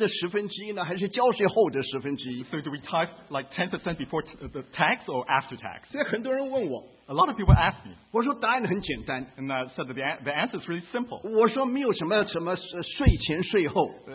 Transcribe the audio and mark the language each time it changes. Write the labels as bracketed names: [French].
[Chinese] 那么到底是在交税前的十分之一呢,还是交税后的十分之一? [English] So do we tithe like 10% before the tax or after tax? [Chinese] 所以很多人问我, [English] a lot of people ask me. [Chinese] 我说答案很简单, [English] and I said that the answer is really simple. [Chinese] 我说没有什么税前税后,